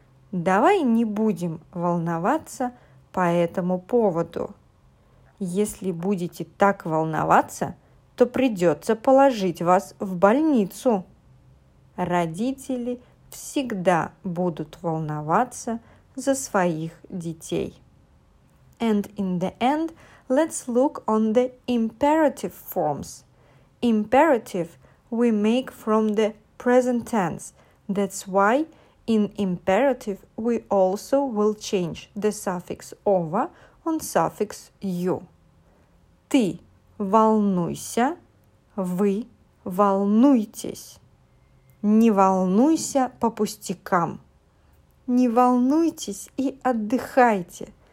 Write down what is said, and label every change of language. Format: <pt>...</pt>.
<ru>Давай не будем волноваться по этому поводу. Если будете так волноваться, то придется положить вас в больницу. Родители всегда будут волноваться за своих детей.</ru> <en>And in the end, let's look on the imperative forms. Imperative we make from the present tense. That's why in imperative we also will change the suffix over on suffix you.</en> <ru>Ты волнуйся, вы волнуйтесь. Не волнуйся по пустякам. Не волнуйтесь и отдыхайте.</ru>